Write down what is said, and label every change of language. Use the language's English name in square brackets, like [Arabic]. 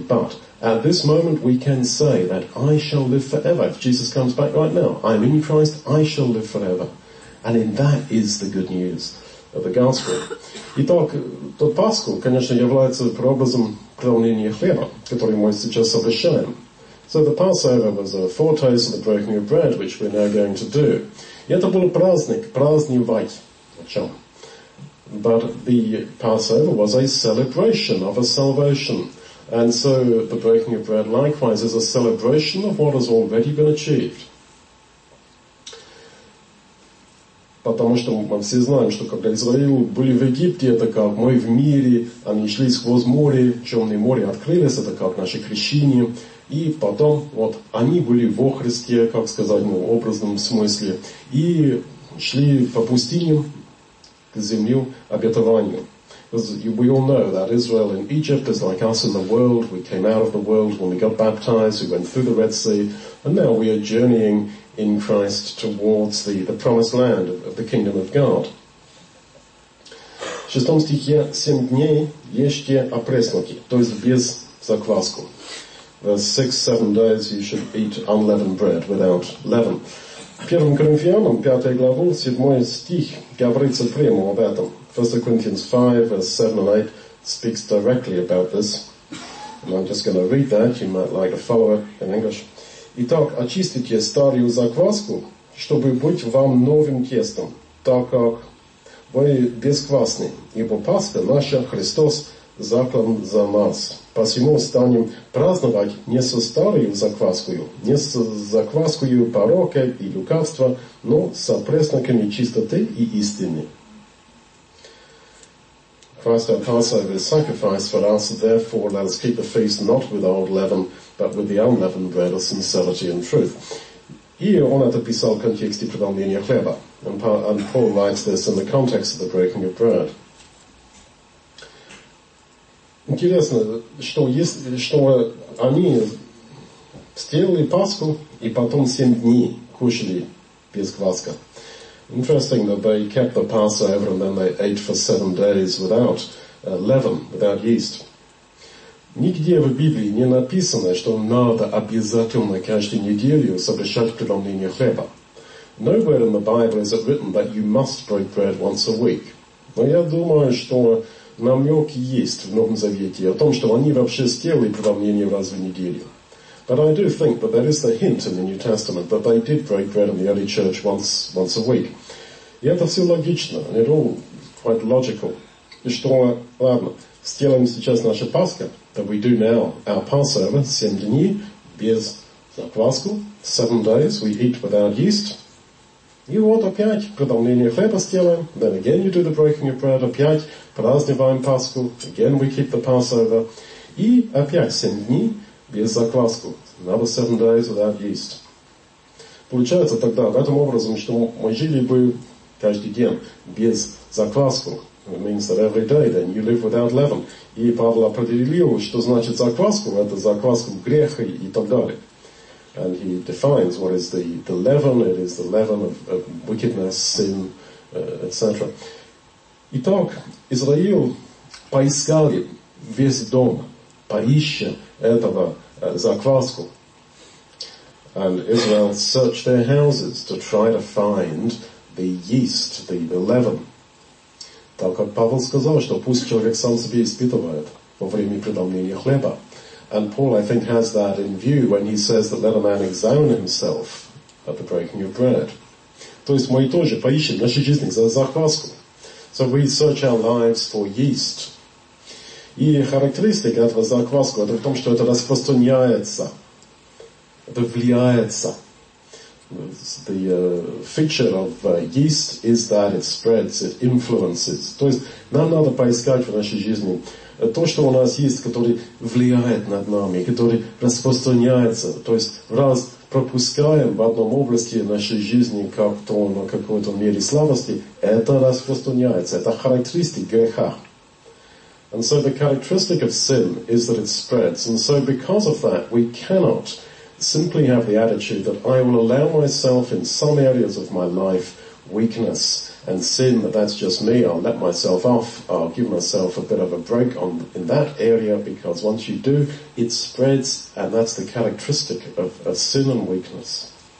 [English] But at this moment, we can say that I shall live forever. If Jesus comes back right now, I'm in Christ, I shall live forever. And in that is the good news of the gospel. [Russian] Итак, тот Пасху, конечно, является прообразом преломления хлеба, который мы сейчас обещаем. [English] So the Passover was a foretaste of the breaking of bread, which we're now going to do. [Russian] И это был праздник, праздновать. [English] But the Passover was a celebration of a salvation. And so the breaking of bread likewise is a celebration of what has already been achieved. [Russian] Потому что мы все знаем, что когда Израиль были в Египте, это как мы в мире, они шли сквозь море, Черное море открылись, это как наше крещение. И потом вот они были во Христе, как сказать, ну, в образном смысле, и шли по пустыне, к земле обетованию. [English] Because we all know that Israel in Egypt is like us in the world. We came out of the world when we got baptized. We went through the Red Sea. And now we are journeying in Christ towards the promised land of the kingdom of God. [Russian] В шестом стихе 7 дней ешьте опресноки, то есть без закваску. [English] There's 6-7 days you should eat unleavened bread without leaven. [Russian] В 1 Коринфянам, 5 главу, 7 стих говорится прямо об этом. [English] 1 Corinthians 5, verse 7 and 8 speaks directly about this. And I'm just going to read that. You might like to follow it in English. [Russian] Итак, очистите старую закваску, чтобы быть вам новым тестом, так как вы бесквасны, ибо Пасха наша, Христос, заклан за нас. Посему станем праздновать не со старою закваскою, не со закваскою порока и лукавства, но со пресноками чистоты и истины. [English] Christ our Passover is sacrificed for us, therefore let us keep the feast not with old leaven, but with the unleavened bread of sincerity and truth. Here on [Russian] это писал в контексте преломления хлеба, [English] and Paul writes this in the context of the breaking of bread. [Russian] Интересно, что есть, что они сделали Пасху и потом 7 дней кушали без кваска. [English] Interesting that they kept the Passover and then they ate for 7 days without leaven, without yeast. [Russian] Нигде в Библии не написано, что надо обязательно каждую неделю совершать преломление хлеба. [English] Nowhere in the Bible is it written that you must break bread once a week. [Russian] Но я думаю, что намек есть в Новом Завете о том, что они вообще сделали преломление раз в неделю. [English] But I do think that there is a hint in the New Testament that they did break bread in the early church once a week. [Russian] И это все логично, [English] and it all quite logical. [Russian] И что, ладно, сделаем сейчас наше Пасха, [English] that we do now our Passover, [Russian] 7 дней, без закваску, [English] 7 days we eat without yeast. [Russian] И вот опять преломление хлеба сделаем, [English] then again you do the breaking of bread, [Russian] опять праздниваем Пасху, [English] again we keep the Passover, [Russian] и опять 7 дней без закваску. [English] Another 7 days without yeast. [Russian] Получается тогда, таким образом, что мы жили бы каждый день без закваску. [English] It means that every day then you live without leaven. [Russian] И Павел определил, что значит закваску, это закваску греха и так далее. [English] And he defines what is the leaven. It is the leaven of wickedness, sin, etc. [Russian] Итак, Израиль поискали весь дом, поища этого закваску. [English] And Israel searched their houses to try to find the yeast, the leaven. [Russian] Так как Павел сказал, что пусть человек сам себе испытывает во время преломления хлеба. [English] And Paul, I think, has that in view when he says that let a man examine himself at the breaking of bread. [Russian] То есть мы тоже поищем в нашей жизни за закваску. [English] So we search our lives for yeast. [Russian] И характеристика этого закваску, это в том, что это распространяется. Это влияется. [English] The feature of yeast is that it spreads, it influences. [Russian] То есть нам надо поискать в нашей жизни то, что у нас есть, которое влияет над нами, которое распространяется. То есть раз пропускаем в одном области нашей жизни как-то на какой-то мере слабости, это распространяется. Это характеристика греха. [English] And so the characteristic of sin is that it spreads. And so because of that, we cannot simply have the attitude that I will allow myself in some areas of my life weakness and sin, that that's just me, I'll let myself off, I'll give myself a bit of a break on in that area, because once you do, it spreads, and that's the characteristic of a sin and weakness.